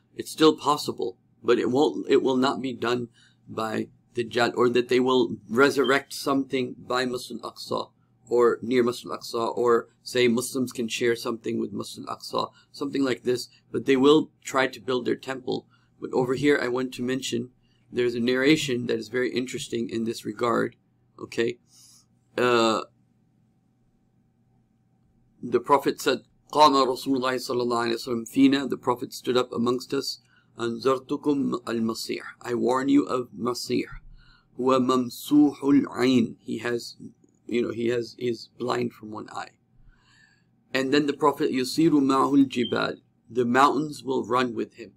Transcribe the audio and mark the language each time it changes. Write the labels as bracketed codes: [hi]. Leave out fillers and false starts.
[en] It's still possible, but it will not be done by the Dajjal, or that they will resurrect something by Masjid al-Aqsa or near Masjid al-Aqsa, or say Muslims can share something with Masjid al-Aqsa, something like this, but they will try to build their temple. But over here I want to mention there's a narration that is very interesting in this regard. Okay, the Prophet said, [ar] قَامَ رَسُولُ اللَّهِ صَلَّى اللَّهِ عَلَيْهِ وَسَلَّمْ فِينَا. [en] The Prophet stood up amongst us. [ar] أَنْزَرْتُكُمْ الْمَصِيحِ. [en] I warn you of Masih. [ar] هُوَ مَمْسُوحُ الْعَيْنِ. [en] He is blind from one eye. And then the Prophet, [ar] يُصِيرُ مَعْهُ الْجِبَالِ. [en] The mountains will run with him.